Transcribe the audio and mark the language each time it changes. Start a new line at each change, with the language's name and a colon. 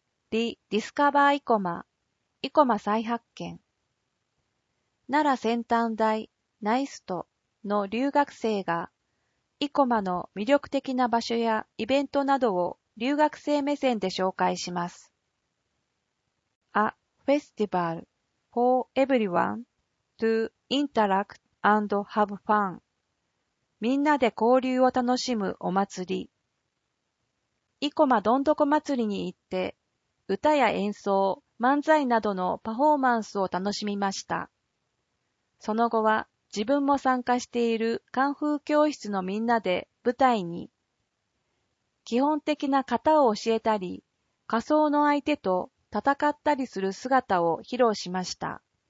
Japanese: ディスカバーイコマ。イコマ再発見。奈良先端大ナイストの留学生が、イコマの魅力的な場所やイベントなどを留学生目線で紹介します。
English: A festival for everyone to interact and have fun.
Japanese: みんなで交流を楽しむお祭り。イコマどんどこ祭りに行って、歌や演奏、漫才などのパフォーマンスを楽しみました。その後は自分も参加しているカンフー教室のみんなで舞台に、基本的な型を教えたり、仮装の相手と戦ったりする姿を披露しました。